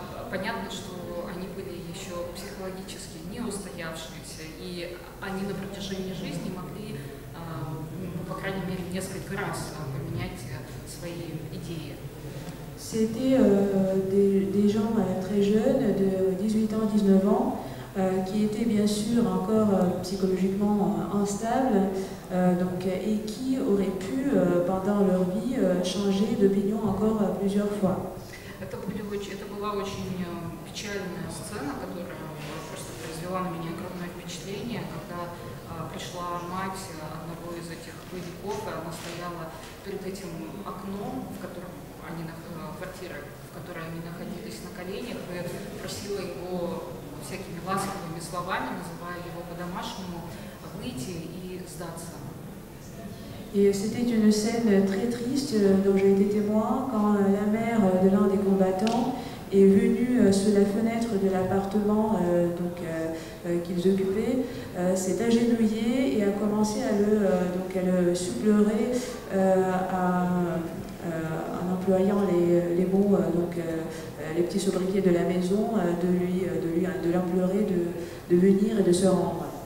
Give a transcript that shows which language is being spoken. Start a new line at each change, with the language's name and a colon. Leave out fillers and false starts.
Russian: Понятно, что они были еще психологически не устоявшиеся, и они на протяжении жизни могли по крайней мере, несколько раз поменять свои идеи.
French: C'était des gens très jeunes, de 18 ans, 19 ans, qui étaient bien sûr encore psychologiquement instables, donc, et qui auraient pu, pendant leur vie, changer d'opinion encore plusieurs fois.
Russian: Это была очень печальная сцена, которая просто произвела на меня огромное впечатление, когда пришла мать одного из этих боевиков, и она стояла перед этим окном, квартира, в которой они находились на коленях, и просила его всякими ласковыми словами, называя его по-домашнему, выйти и сдаться.
French: Et c'était une scène très triste dont j'ai été témoin quand la mère de l'un des combattants est venue sous la fenêtre de l'appartement qu'ils occupaient, s'est agenouillée et a commencé à le supplorer en employant les mots, les petits sobriquets de la maison, de l'implorer de venir et de se rendre.